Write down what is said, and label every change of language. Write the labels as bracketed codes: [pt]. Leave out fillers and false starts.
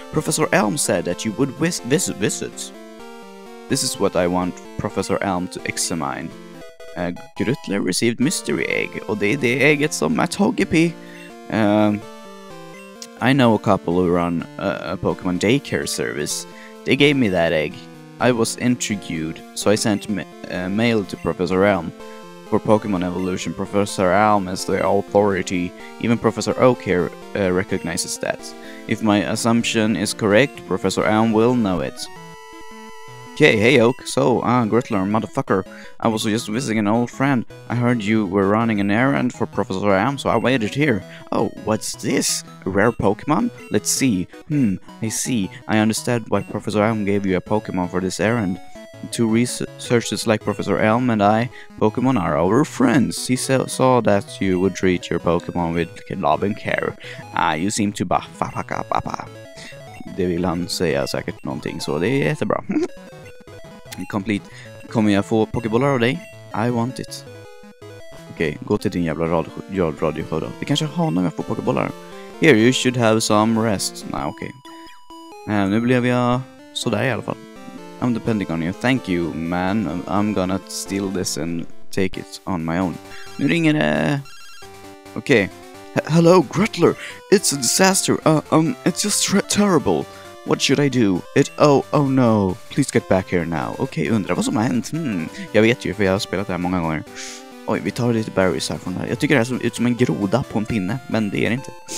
[en] Professor Elm said that you would visit. This is what I want Professor Elm to examine. Gruttler received mystery egg, [sv] och det är det ägget som är Togepi. [en] I know a couple who run a Pokemon daycare service. They gave me that egg. I was intrigued, so I sent mail to Professor Elm. For Pokemon evolution, Professor Elm is the authority. Even Professor Oak here recognizes that. If my assumption is correct, Professor Elm will know it. Okay, hey Oak. So, Gruttler, motherfucker. I was just visiting an old friend. I heard you were running an errand for Professor Elm, so I waited here. Oh, what's this? A rare Pokemon? Let's see. I see. I understand why Professor Elm gave you a Pokemon for this errand. Two researchers like Professor Elm and I, Pokemon are our friends. He saw that you would treat your Pokemon with love and care. You seem to ba-fa-fa-ka-pa-pa. [sv] Det vill han säga säkert någonting, så det är jättebra. Complete. Kommer jag få pokébollar av dig? [en] I want it. [sv] Okej, gå till din jävla radio då. Det kanske har någon jag får pokébollar. [en] Here, you should have some rest. [sv] Nej, okej. Nu blev jag sådär i alla fall. [en] I'm depending on you. Thank you, man. I'm gonna steal this and take it on my own. [sv] Nu ringer det. Okej. [en] Hello, Gruttler. It's a disaster. It's just terrible. What should I do? Oh no. Please get back here now. [sv] Okej, undrar vad som har hänt. Jag vet ju, för jag har spelat det här många gånger. Oj, vi tar lite berries här från det här. Jag tycker det här ser ut som en groda på en pinne, men det är det inte.